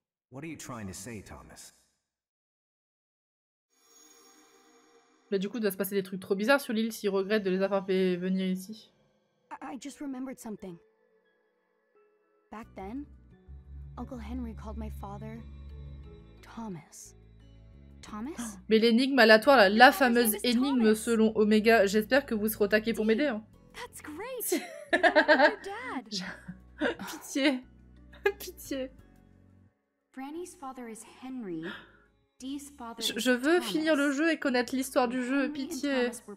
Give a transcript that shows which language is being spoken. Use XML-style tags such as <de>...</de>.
<en>What are you trying to say, Thomas?</en> <fr>Mais du coup, il doit se passer des trucs trop bizarres sur l'île s'il regrette de les avoir fait venir ici.</fr> <en>I just remembered something. Back then, Uncle Henry called my father Thomas. Thomas?</en> <fr>Mais l'énigme aléatoire, la fameuse énigme selon Omega, j'espère que vous serez au taquet pour m'aider.</fr> <en>That's great.</en> <fr>Pitié. Pitié.</fr> <en>Franny's father is Henry.</en> <fr>Je veux finir le jeu et connaître l'histoire du jeu, pitié.</fr>